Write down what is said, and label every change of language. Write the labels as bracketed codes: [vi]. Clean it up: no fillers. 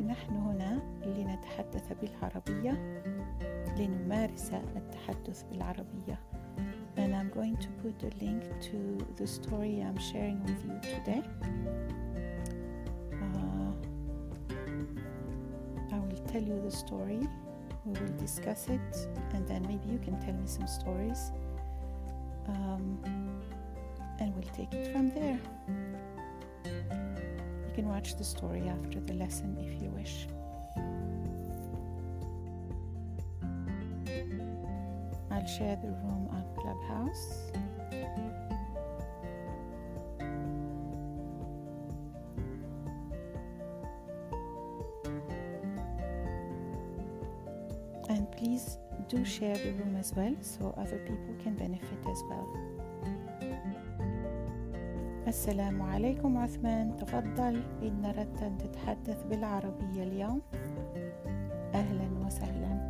[ar] نحن هنا لنتحدث بالعربية لنمارس التحدث بالعربية. [en] And I'm going to put a link to the story I'm sharing with you today. I will tell you the story. We will discuss it, and then maybe you can tell me some stories. And we'll take it from there. You can watch the story after the lesson if you wish. I'll share the room on Clubhouse. And please do share the room as well, so other people can benefit as well. [ar] السلام عليكم عثمان تفضل إن أردت أن تتحدث بالعربية اليوم أهلا وسهلا